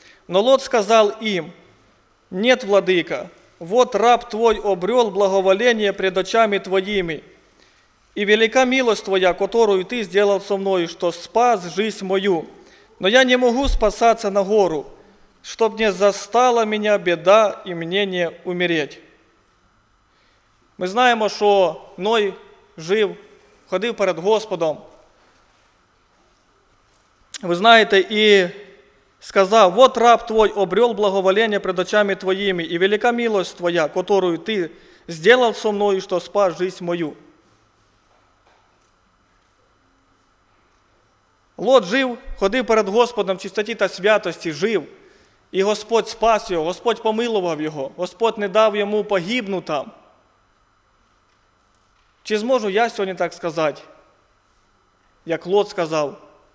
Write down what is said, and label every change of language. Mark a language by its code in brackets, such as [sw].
[ru] Но Лот сказал им, «Нет, владыка, вот раб твой обрел благоволение пред очами твоими, и велика милость твоя, которую ты сделал со мною, что спас жизнь мою. Но я не могу спасаться на гору, чтоб не застала меня беда и мне не умереть». [uk] Ми знаємо, що Ной жив, ходив перед Господом. Ви знаєте, і сказав, [ru] «Вот раб твой обрел благоволение пред очами твоими, и велика милость твоя, которую ты сделал со мною, что спас жизнь мою». [uk] Лот жив, ходив перед Господом в чистоті та святості, жив. І Господь спас його, Господь помилував його, Господь не дав йому погибнути там. Чи зможу я сьогодні так сказати, як Лот сказав?